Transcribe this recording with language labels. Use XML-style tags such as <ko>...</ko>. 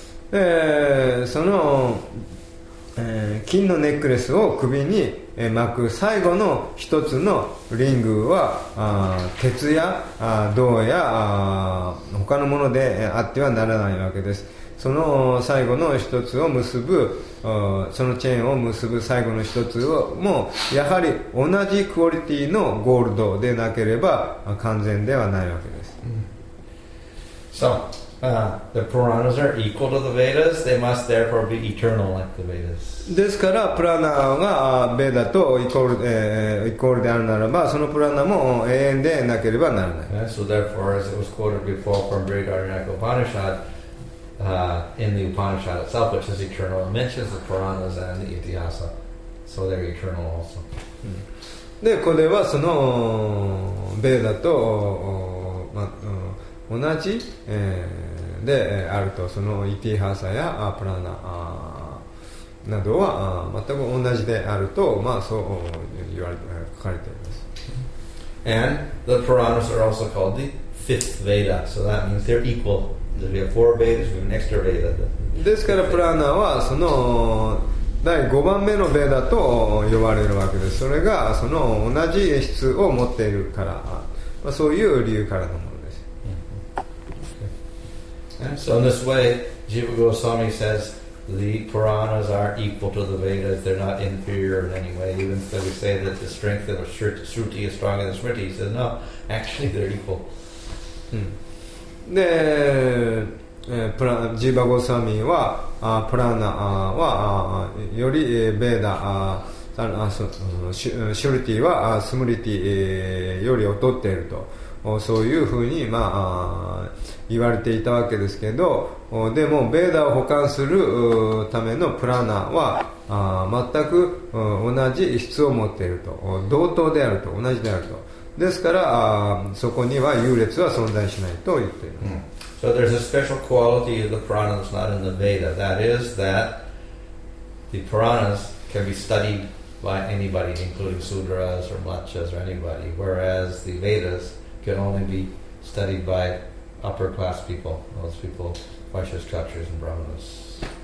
<ja>その、金のネックレスを首に巻く最後の一つのリングは鉄や銅や他のものであってはならないわけです。その最後の一つを結ぶそのチェーンを結ぶ最後の一つをもやはり同じクオリティのゴールドでなければ完全ではないわけです。</ja> <en>So, the Puranas are equal to the Vedas. They must therefore be eternal like the Vedas.</en> <ja>ですからプラナがベダとイコールであるならばそのプラナも永遠でなければならない。</ja> <en>So therefore, as it was quoted before from Brihadaranyaka Upanishad,in the Upanishad itself, which is eternal, it mentions the Puranas and the Itihasa, so they're eternal also.</en> <ja>で、これはそのベーダと同じであると、そのイティハサやプラナなどは全く同じであると、そう言われて書かれています。</ja> <en>And the Puranas are also called the fifth Veda, so that means they're equal. We have four Vedas, we have an extra Veda.</en> <ja>ですからプラナはその第5番目のベーダと呼ばれるわけです。それがその同じ質を持っているから、そういう理由からのものです。</ja> <en>And so in this way, Jiva Goswami says the Puranas are equal to the Vedas. They're not inferior in any way. Even though we say that the strength of a Shruti is stronger than Smriti, he says no, actually they're equal.</en> <ja>でプラジーバゴサミはプラナはよりベーダシュルティはスムリティより劣っているとそういうふうに、言われていたわけですけどでもベーダを補完するためのプラナは全く同じ質を持っていると同等であると同じであるとですからそこには優劣は存在しないと言っています。</ja> <en>So there's a special quality of the Purana that's not in the Veda. That is that the Puranas can be studied by anybody, including Sudras or Machas or anybody, whereas the Vedas can only be studied by upper class people, those people, Vaishyas, Kshatriyas, and Brahmanas.</en>